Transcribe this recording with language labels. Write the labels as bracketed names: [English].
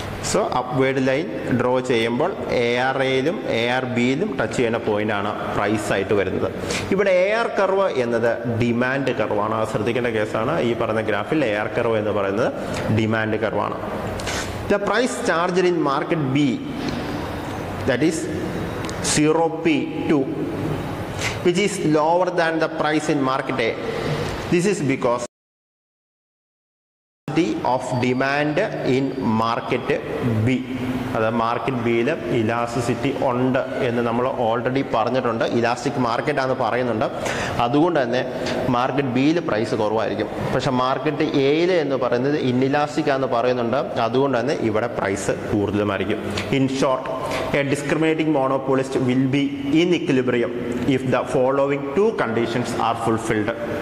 [Malayalam] So upward line draw ചെയ്യുമ്പോൾ A R എയിലും A R ബിയിലും touch ചെയ്യുന്ന പോയിൻ്റാണ് പ്രൈസായിട്ട് വരുന്നത്. ഇവിടെ എ ആർ കർവ് എന്നത് ഡിമാൻഡ് കർവാണ്. ശ്രദ്ധിക്കേണ്ട കേസാണ് ഈ പറയുന്ന ഗ്രാഫിൽ എ ആർ കർവ് എന്ന് പറയുന്നത് demand കർവാണ്. [English] The price charged in market B, that is 0P2, which is lower than the price in market A. This is because the of demand in market B. [Malayalam] അത് market ബിയിലും elasticity ഉണ്ട് എന്ന് നമ്മൾ already പറഞ്ഞിട്ടുണ്ട്. Elastic മാർക്കറ്റാണെന്ന് പറയുന്നുണ്ട്. അതുകൊണ്ട് തന്നെ market ബിയിൽ price കുറവായിരിക്കും. പക്ഷെ മാർക്കറ്റ് എയിൽ എന്ന് പറയുന്നത് ഇന്നിലാസ്റ്റിക് ആണെന്ന് പറയുന്നുണ്ട്. അതുകൊണ്ട് തന്നെ ഇവിടെ price കൂടുതലുമായിരിക്കും. [English] In short, a discriminating monopolist will be in equilibrium if the following two conditions are fulfilled.